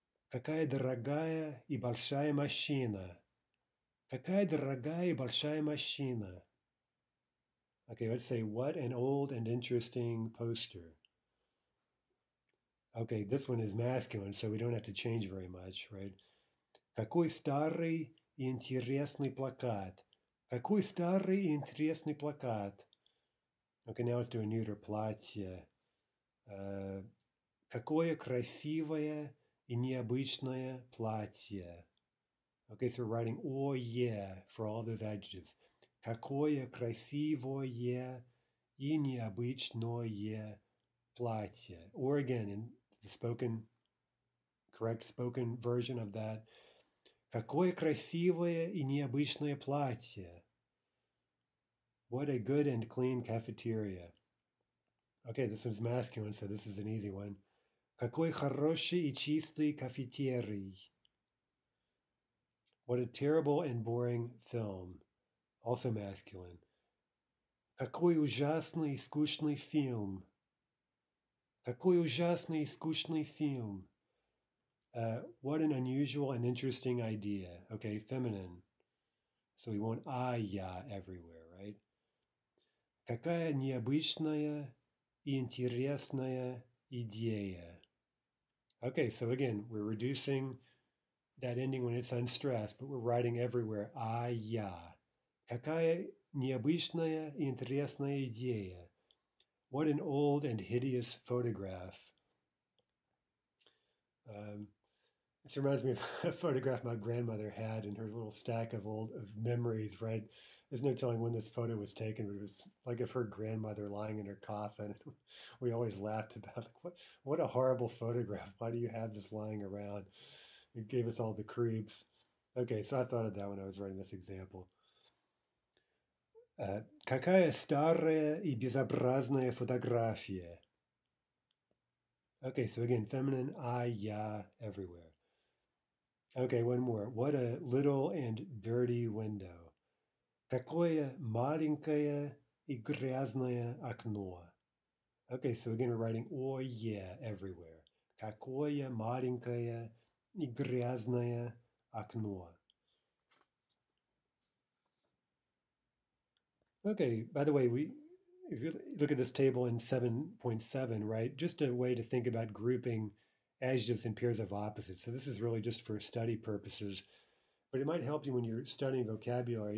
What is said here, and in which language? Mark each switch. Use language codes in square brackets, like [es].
[ru] Какая дорогая и большая машина? Какая дорогая и большая машина? [en] Okay, let's say what an old and interesting poster. Okay, this one is masculine, so we don't have to change very much, right? [ru] Какой старый и интересный плакат? Какой старый и интересный плакат? [en] Okay, now let's do a neuter платье. [ru] Какое красивое и необычное платье? [en] Okay, so we're writing oh yeah for all of those adjectives. [ru] Какое красивое и необычное платье? [en] Or again, in the spoken, correct spoken version of that. [ru] Какое красивое и необычное платье? [en] What a good and clean cafeteria. Okay, this one's masculine, so this is an easy one. [ru] Какой хороший и чистый кафетерий. [en] What a terrible and boring film. Also masculine. [ru] Какой ужасный и скучный фильм. Какой ужасный и скучный фильм. [en] What an unusual and interesting idea. Okay, feminine. So we want ая everywhere, right? [ru] Какая необычная и интересная идея. [en] Okay, so again, we're reducing that ending when it's unstressed, but we're writing everywhere. [ru] Ая. Какая необычная и интересная идея. [en] What an old and hideous photograph. This reminds me of a photograph my grandmother had in her little stack of old of memories, right? There's no telling when this photo was taken, but it was like of her grandmother lying in her coffin. We always laughed about it. What a horrible photograph. Why do you have this lying around? It gave us all the creeps. Okay, so I thought of that when I was writing this example. [ru] Какая старая и безобразная фотография? [en] Okay, so again, feminine, ай, я, everywhere. Okay, one more. What a little and dirty window. [ru] Какое маленькое и грязное окно. [en] Okay, so again, we're writing oh yeah everywhere. [ru] Какое маленькое и грязное окно. [en] Okay, by the way, if you look at this table in 7.7, right? Just a way to think about grouping adjectives in pairs of opposites. So this is really just for study purposes, but it might help you when you're studying vocabulary.